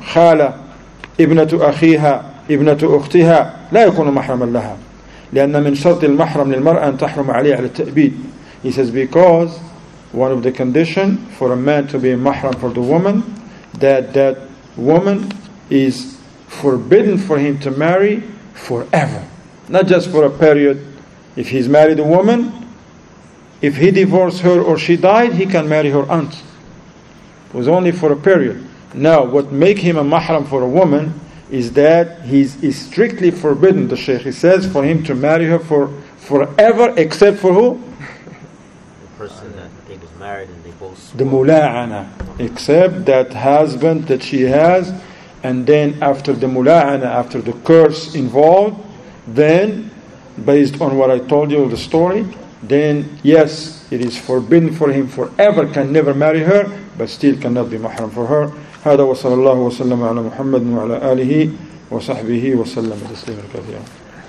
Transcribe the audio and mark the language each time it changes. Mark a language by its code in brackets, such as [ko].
[ar] خالة ابنتُ أخيها ابنتُ أختها لا يكون محرما لها لأن من شرط المحرم للمرأة أن تحرم عليه على التأبيد. [en] He says because one of the condition for a man to be mahram for the woman that woman is forbidden for him to marry forever, not just for a period. If he's married a woman, if he divorced her or she died, he can marry her aunt. Was only for a period. Now, what make him a mahram for a woman is that he's strictly forbidden, the Shaykh, he says, for him to marry her for forever, except for who? The person that he was married and they both swore. The mula'ana. Except that husband that she has, and then after the mula'ana, after the curse involved, then, based on what I told you, the story, then, yes, it is forbidden for him forever, can never marry her, but still cannot be mahram for her. [ar] هذا وصلى الله وسلم على محمد وعلى آله وصحبه وسلم تسليما كثيرا.